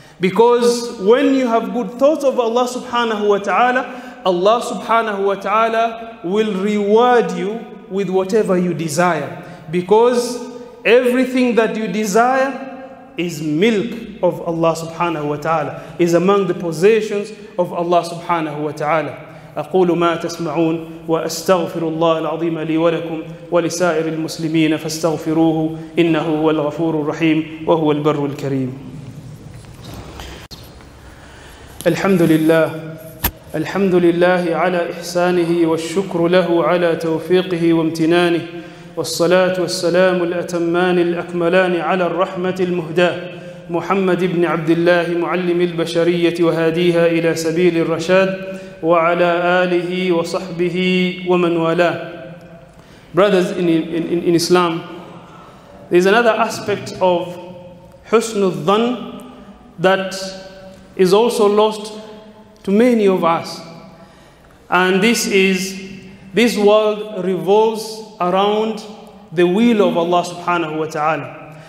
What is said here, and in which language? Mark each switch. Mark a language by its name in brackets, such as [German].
[English] Because when you have good thoughts of Allah subhanahu wa ta'ala, Allah subhanahu wa ta'ala will reward you with whatever you desire. Because everything that you desire is milk of Allah subhanahu wa ta'ala, is among the possessions of Allah subhanahu wa ta'ala. [Arabic] أقول ما تسمعون وأستغفر الله العظيم لي ولكم ولسائر المسلمين فاستغفروه إنه هو الغفور الرحيم وهو البر الكريم. الحمد لله، الحمد لله على إحسانه والشكر له على توفيقه وامتنانه، والصلاة والسلام الأتمان الأكملان على الرحمة المهداة محمد بن عبد الله معلم البشرية وهاديها إلى سبيل الرشاد، وعلى آله وصحبه ومن والاه. [English] Brothers in Islam, there is another aspect of husnul dhan that is also lost to many of us, and this world revolves around the will of Allah subhanahu wa ta'ala.